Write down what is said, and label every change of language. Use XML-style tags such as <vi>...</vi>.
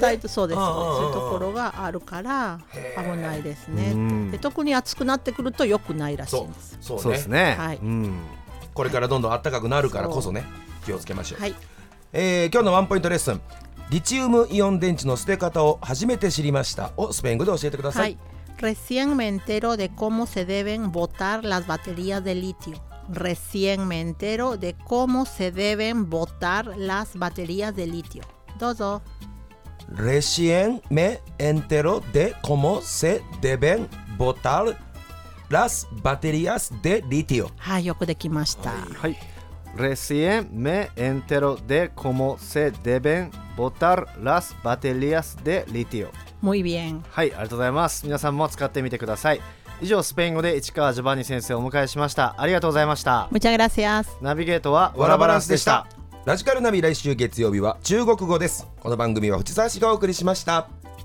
<ja>タイト、そうです、そういうところがあるから危ないですね。で特に暑くなってくると良くないらしいんです。そう、そうですね、はい、うん、これからどんどん暖かくなるからこそね、気をつけましょう、はい。今日のワンポイントレッスン、リチウムイオン電池の捨て方を初めて知りましたをスペイン語で教えてください。</ja> <es>はい、recién me entero de cómo se deben botar las baterías de litio. Recién me entero de cómo se deben botar las baterías de litio.</es> <ja>どうぞ。</ja> <es>recién me entero de cómo se deben botarLas baterías de litio.</es> <ja>はい、よくできました。はい。</ja> <es>Recién me entero de cómo se deben botar las baterías de litio. Muy bien.</es> <ja>はい、ありがとうございます。皆さんも使ってみてください。以上、スペイン語で市川ジョバンニ先生をお迎えしました。ありがとうございました。</ja> <es>Muchas gracias.</es> <ja>ナビゲートはワラバランスでした。ラジカルナビ、来週月曜日は中国語です。この番組は藤沢氏がお送りしました。</ja>